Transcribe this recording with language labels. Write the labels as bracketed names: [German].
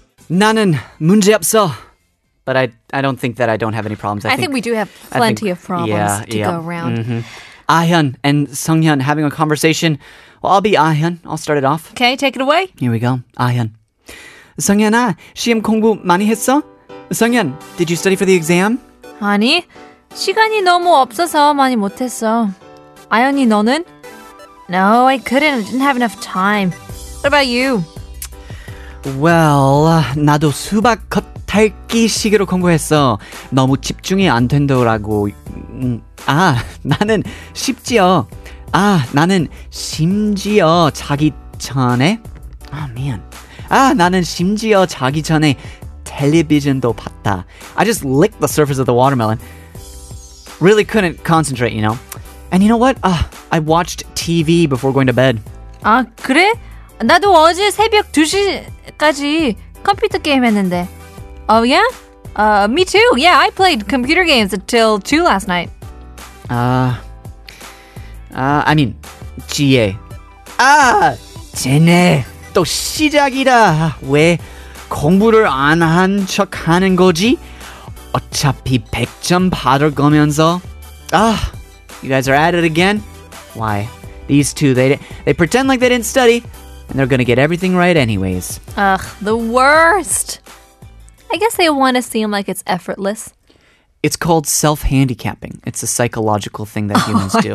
[Korean] Nanan, 문제 없어. [English] But I don't think that I don't have any problems. I think we do have plenty of problems to go around. Mm-hmm. Ahyun and Sunghyun having a conversation. Well, I'll be Ahyun. I'll start it off. Okay, take it away. Here we go. Ahyun. [Korean] Sunghyun, 시험 공부 많이 했어? [English] Sunghyun, did you study for the exam? [Korean] 아니, 시간이 너무 없어서 많이 못했어. Ahyun이 너는? [English] No, I couldn't. I didn't have enough time. What about you? [Korean] Well, 나도 수박 겉핥기 식으로 공부했어. 너무 집중이 안 된다고. 아, 나는 심지어. 아, 나는 심지어 자기 전에. [English] Oh, man. [Korean] 아, 나는 심지어 자기 전에 텔레비전도 봤다. [English] I just licked the surface of the watermelon. Really couldn't concentrate, you know. And you know what? I watched TV before going to bed. [Korean] 아, 그래? 나도 어제 새벽 2시까지 컴퓨터 게임 했는데. [English] Oh, yeah? Me too. Yeah, I played computer games until 2 last night. I mean, [Korean] 지혜. 아, 쟤네. 또 시작이다. 왜 공부를 안 한 척 하는 거지? 어차피 100점 받을 거면서. [English] Ah, you guys are at it again? Why? These two, they pretend like they didn't study. And they're gonna get everything right anyways. Ugh, the worst! I guess they want to seem like it's effortless. It's called self-handicapping. It's a psychological thing that humans do.